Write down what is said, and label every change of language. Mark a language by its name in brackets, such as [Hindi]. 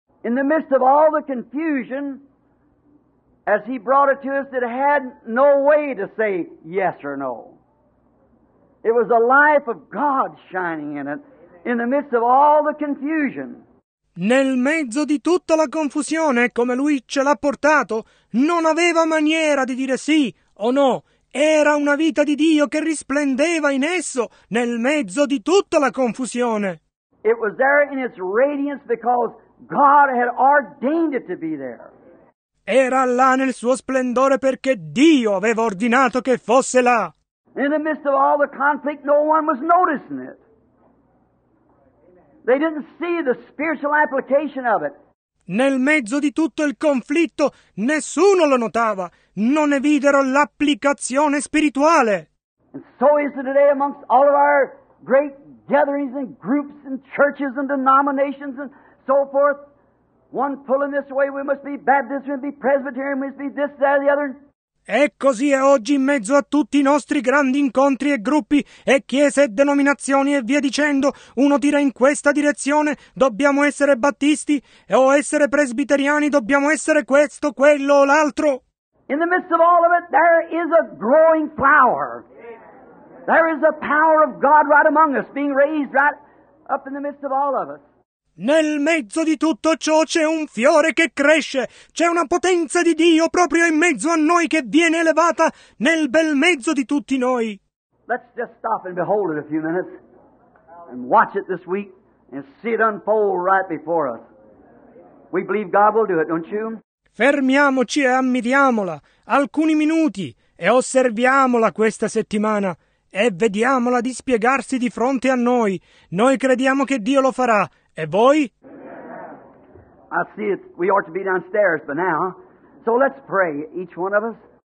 [English] In the midst of all the confusion, as he brought it to us, it had no way to say yes or no. It was the life of God shining in it, in the midst of all the confusion. [Italian] Nel mezzo di tutta la confusione, come lui ce l'ha portato, non aveva maniera di dire sì o no. Era una vita di Dio che risplendeva in esso, nel mezzo di tutta la confusione. [English] It was there in its radiance because God had ordained it to be there. [Italian] Era là nel suo splendore perché Dio aveva ordinato che fosse là. [English] In the midst of all the conflict, no one was noticing it. They didn't see the spiritual application of it. [Italian] Nel mezzo di tutto il conflitto, nessuno lo notava. Non ne videro l'applicazione spirituale. [English] And so is it today amongst all of our great gatherings and groups and churches and denominations and so forth. One pulling this way, we must be Baptist, we must be Presbyterian, we must be this, that, or the other. [Italian] E così è oggi in mezzo a tutti i nostri grandi incontri e gruppi e chiese e denominazioni e via dicendo, uno tira in questa direzione, dobbiamo essere battisti o essere presbiteriani, dobbiamo essere questo, quello o l'altro. [English] In the midst of all of it, there is a growing flower. There is a power of God right among us, being raised right up in the midst of all of us. [Italian] Nel mezzo di tutto ciò c'è un fiore che cresce, c'è una potenza di Dio proprio in mezzo a noi che viene elevata nel bel mezzo di tutti noi. [English] Let's just stop and behold it a few minutes and watch it this week and see it unfold right before us. We believe God will do it, don't you? [Italian] Fermiamoci e ammiriamola alcuni minuti e osserviamola questa settimana e vediamola dispiegarsi di fronte a noi. Noi crediamo che Dio lo farà. E voi? [English] I see it. We ought to be downstairs by now. So let's pray, each one of us.